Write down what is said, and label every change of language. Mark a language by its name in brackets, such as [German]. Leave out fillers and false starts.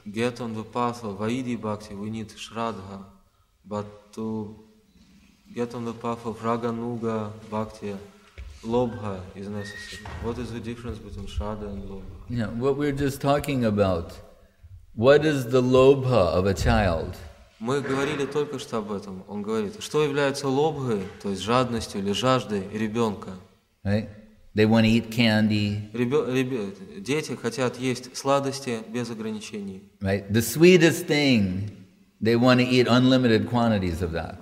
[English] Get on the path of Vaidhi Bhakti, we need Shraddha. But to get on the path of Raganuga Bhakti, lobha is necessary. What is the difference between Shraddha and lobha? Yeah, what we're just talking about. What is the lobha of a child? [Russian] Мы говорили только что об этом. Он говорит, что является лобхой, то есть жадностью или жаждой ребенка? [English] Right? They want to eat candy. [Russian] Дети хотят есть сладости без ограничений. [English] Right? The sweetest thing. They want to eat unlimited quantities of that.